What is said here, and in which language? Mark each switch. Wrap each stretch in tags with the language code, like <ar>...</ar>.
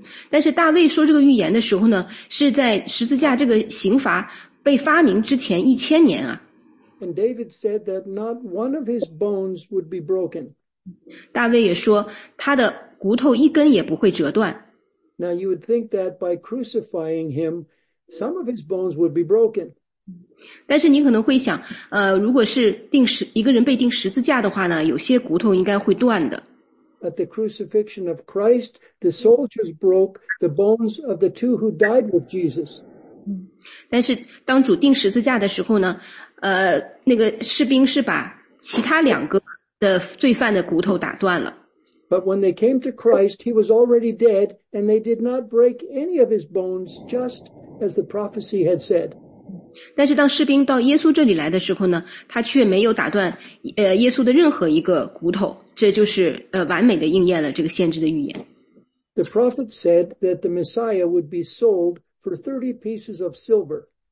<zh>但是大卫说这个预言的时候呢，是在十字架这个刑罚被发明之前1000年啊。</zh> <en>And David said that not one of his bones would be broken.</en> <zh>大卫也说他的骨头一根也不会折断。</zh> <en>Now you would think that by crucifying him, some of his bones would be broken.</en> <zh>但是你可能会想，如果是一个人被钉十字架的话呢，有些骨头应该会断的。</zh> <en>At the crucifixion of Christ, the soldiers broke the bones of the two who died with Jesus.</en> <zh>但是当主钉十字架的时候呢，那个士兵是把其他两个的罪犯的骨头打断了。</zh> <en>But when they came to Christ, he was already dead, and they did not break any of his bones, just as the prophecy had said.</en> <zh>但是当士兵到耶稣这里来的时候呢，他却没有打断耶稣的任何一个骨头。这就是完美的应验了这个先知的预言。</zh> <en>The prophet said that the Messiah would be sold for 30 pieces of silver.</en>